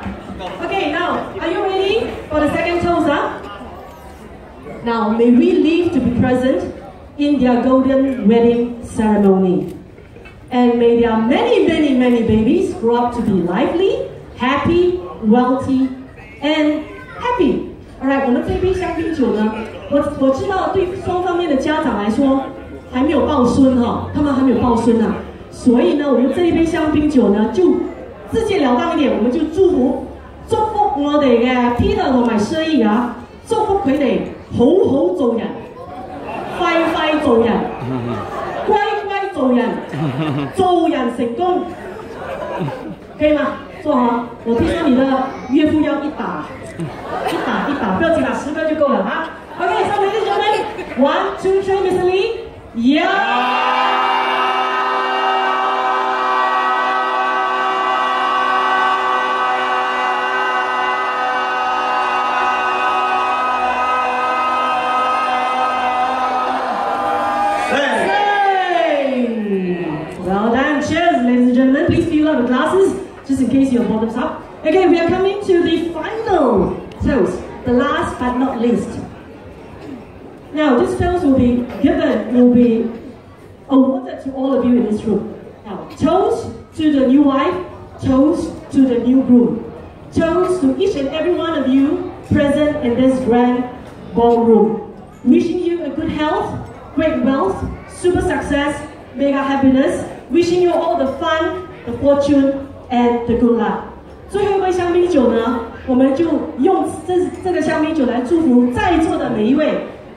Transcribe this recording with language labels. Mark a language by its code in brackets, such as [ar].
[en] Okay, now, are you ready for the second toast? Huh? Now, may we live to be present in their golden wedding ceremony. And may their many, many, many babies grow up to be lively, happy, wealthy, and happy. [zh] Alright, 我们这杯香槟酒呢，我知道对双方面的家长来说， 还没有抱孙哈，他们还没有抱孙呐，所以呢，我用这一杯香槟酒呢，就直截了当一点，我们就祝福祝福我的Peter和Emcee啊，祝福他们好好做人，快快做人，做人成功，可以吗？坐好，我听说你的岳父要一打，不要紧啦，十个就够了啊。 [en] OK, so ladies and gentlemen, one, two, three, Miss Lee. Yeah! Hey. Hey. Well done, cheers, ladies and gentlemen. Please fill up the glasses, just in case your bottoms up. Okay, we are coming to the final toast, the last but not least. Now, this toast will be given, will be awarded to all of you in this room. Now, toast to the new wife, toast to the new groom, toast to each and every one of you present in this grand ballroom. Wishing you a good health, great wealth, super success, mega happiness, wishing you all the fun, the fortune, and the good luck. [zh] 最后一杯香槟酒呢，我们就用这个香槟酒来祝福在座的每一位。